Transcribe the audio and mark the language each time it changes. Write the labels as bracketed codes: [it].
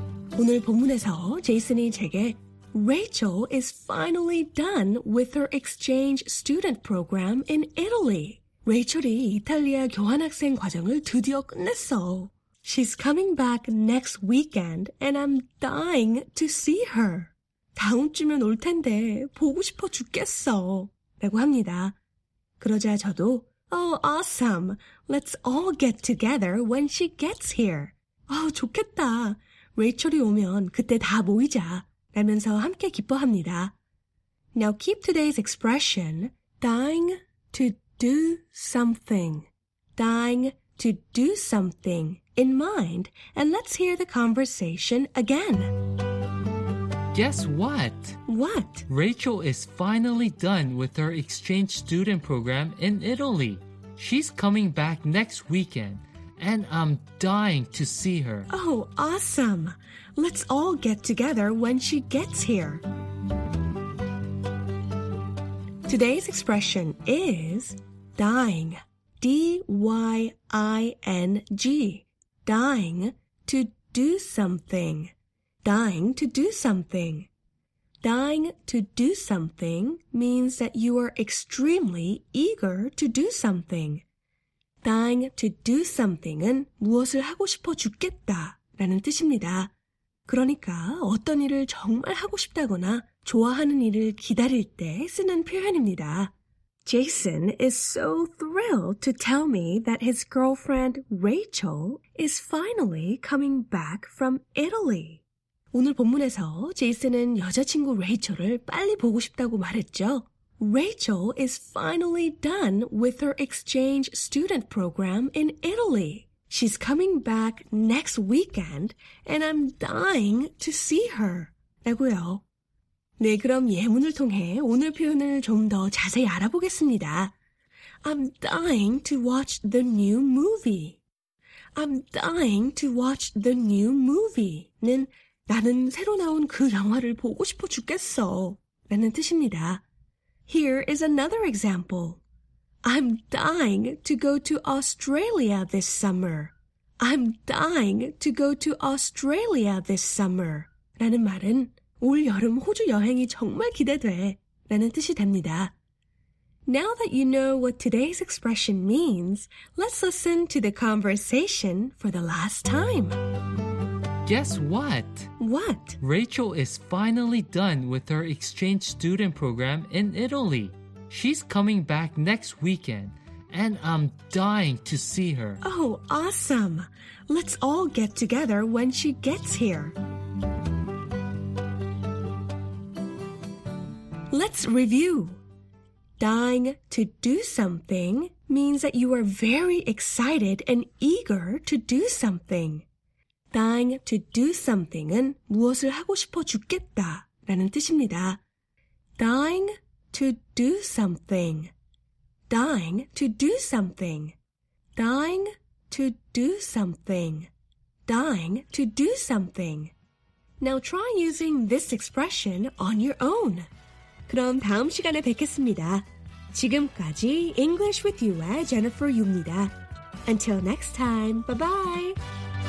[ko] 그 오늘 본문에서 제이슨이 제게 [en] Rachel is finally done with her exchange student program in Italy. [ko] Rachel이 이탈리아 교환학생 과정을 드디어 끝냈어. [en] She's coming back next weekend and I'm dying to see her. [ko] 다음 주면 올 텐데 보고 싶어 죽겠어. 라고 합니다. 그러자 저도 [en] Oh, awesome. Let's all get together when she gets here. [ko] 아, 좋겠다. 레이첼이 오면 그때 다 모이자. 라면서 함께 기뻐합니다. [en] Now keep today's expression, dying to do something. dying to do something in mind. And let's hear the conversation again. Guess what? What? Rachel is finally done with her exchange student program in Italy. She's coming back next weekend, and I'm dying to see her. Oh, awesome. Let's all get together when she gets here. Today's expression is dying. D-Y-I-N-G. Dying to do something. Dying to do something. Dying to do something means that you are extremely eager to do something. Dying to do something [ko] 은 무엇을 하고 싶어 죽겠다 라는 뜻입니다. 그러니까 어떤 일을 정말 하고 싶다거나 좋아하는 일을 기다릴 때 쓰는 표현입니다. [en] Jason is so thrilled to tell me that his girlfriend Rachel is finally coming back from Italy. [ko] 오늘 본문에서 제이슨은 여자친구 레이첼을 빨리 보고 싶다고 말했죠. [en] Rachel is finally done with her exchange student program in Italy. She's coming back next weekend and I'm dying to see her. [ko] 라고요. 네, 그럼 예문을 통해 오늘 표현을 좀 더 자세히 알아보겠습니다. [en] I'm dying to watch the new movie. I'm dying to watch the new movie는 [ko] 나는 새로 나온 그 영화를 보고 싶어 죽겠어 라는 뜻입니다. [en] Here is another example. I'm dying to go to Australia this summer. I'm dying to go to Australia this summer. [ko] 라는 말은 올 여름 호주 여행이 정말 기대돼 라는 뜻이 됩니다. [en] Now that you know what today's expression means, let's listen to the conversation for the last time. Guess what? What? Rachel is finally done with her exchange student program in Italy. She's coming back next weekend, and I'm dying to see her. Oh, awesome. Let's all get together when she gets here. Let's review. Dying to do something means that you are very excited and eager to do something. Dying to do something은 [ko] 무엇을 하고 싶어 죽겠다 라는 뜻입니다. [en] Dying to do something. Dying to do something. Dying to do something. Dying to do something. Now try using this expression on your own. [ko] 그럼 다음 시간에 뵙겠습니다. 지금까지 [en] English with You의 Jennifer Yu입니다. Until next time, bye-bye!